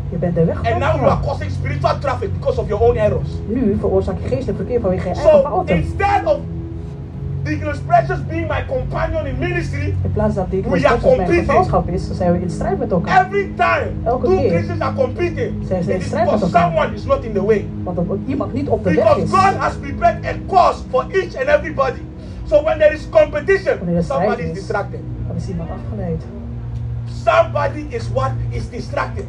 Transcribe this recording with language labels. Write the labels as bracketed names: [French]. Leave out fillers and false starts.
[English] And now you are causing spiritual traffic because of your own errors. [Dutch] Nu veroorzaak je geestelijk verkeer vanwege je eigen fouten. [English] So instead of Deaconess Precious being my companion in ministry, [Dutch] in plaats dat Deaconess Precious mijn gevangenschap is, zijn we in strijd met elkaar. [English] Every time, [Dutch] elke keer, [English] two Christians are competing. [Dutch] Zijn ze in strijd met elkaar. [English] Someone is not in the way. [Dutch] Want iemand niet op de [English] because [Dutch] weg is. [English] Because God has prepared a course for each and everybody. So when there is competition, somebody is distracted. [Dutch] Dan is iemand afgeleid. [English] Somebody is what is distracted.